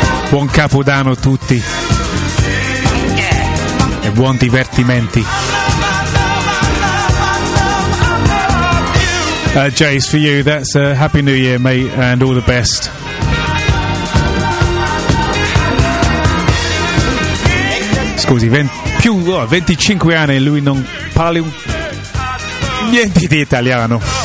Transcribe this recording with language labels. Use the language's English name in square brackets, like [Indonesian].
[Italian] Buon Capodanno a tutti e buon divertimenti. [English] Jace, for you, that's a Happy New Year, mate, and all the best. [Italian] Scusi, 25 anni e lui non parla niente di italiano.